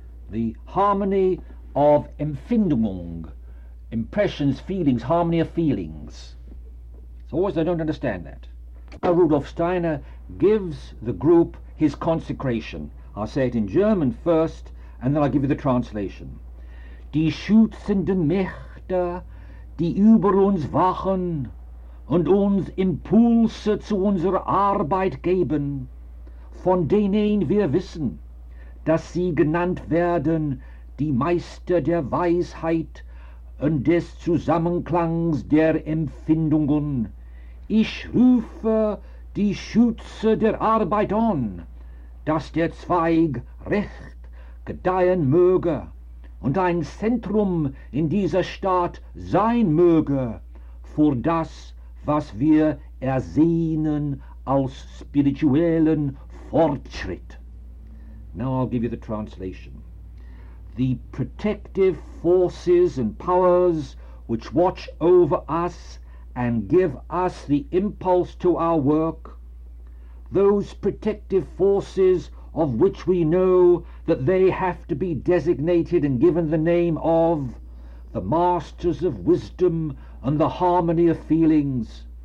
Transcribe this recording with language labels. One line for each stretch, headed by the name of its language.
English: The harmony of Empfindung, impressions, feelings, harmony of feelings. It's always, I don't understand that. Rudolf Steiner gives the group his consecration. I'll say it in German first, and then I'll give you the translation.
German: Die schützenden Mächte, die über uns wachen und uns Impulse zu unserer Arbeit geben, von denen wir wissen, dass sie genannt werden die Meister der Weisheit und des Zusammenklangs der Empfindungen. Ich rufe die Schütze der Arbeit an, dass der Zweig recht gedeihen möge und ein Zentrum in dieser Stadt sein möge für das, was wir ersehnen als spirituellen Fortschritt.
English: Now I'll give you the translation. The protective forces and powers which watch over us and give us the impulse to our work, those protective forces of which we know that they have to be designated and given the name of the masters of wisdom and the harmony of feelings.